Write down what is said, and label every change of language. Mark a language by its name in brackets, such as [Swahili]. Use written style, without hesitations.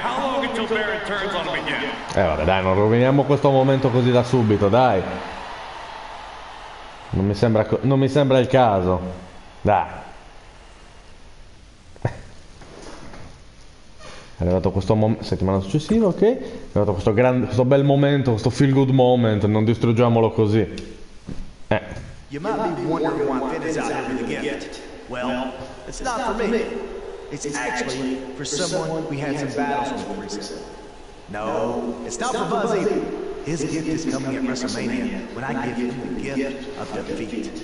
[English] How long until Baron turns on him again? [Italian] Vabbè, dai, non roviniamo questo momento così da subito, dai. Non mi sembra il caso. Dai. È arrivato questo settimana successiva, ok? È arrivato questo grande, questo bel momento, questo [English] feel good moment, [Italian] non distruggiamolo così. [English] You might be wondering why Finn is out here with a gift. Well, it's not for me. It's actually for someone we had some battles with recently. No, it's not for Buzz either. His gift is coming at WrestleMania when I give him the gift of defeat.